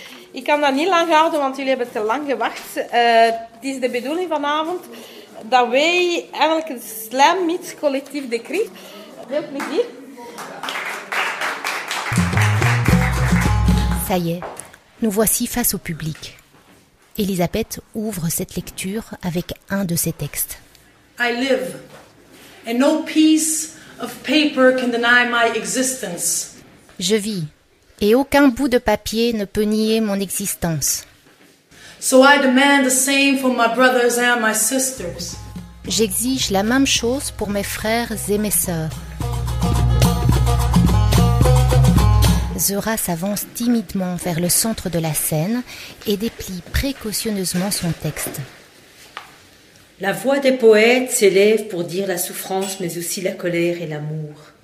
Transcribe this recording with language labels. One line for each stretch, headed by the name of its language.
Dutch: Ik kan dat niet lang houden, want jullie hebben te lang gewacht. Het is de bedoeling vanavond dat wij eigenlijk een slam meets collectief decreet. Veel plezier.
French: Ça y est, nous voici face au public. Elisabeth ouvre cette lecture avec un de ses textes.
English: I live, and no piece of paper can deny my existence.
French: Je vis, et aucun bout de papier ne peut nier mon existence.
English: So I demand the same for my brothers and my sisters.
French: J'exige la même chose pour mes frères et mes sœurs. Zora s'avance timidement vers le centre de la scène et déplie précautionneusement son texte. La voix des poètes s'élève pour dire la souffrance, mais aussi la colère et l'amour.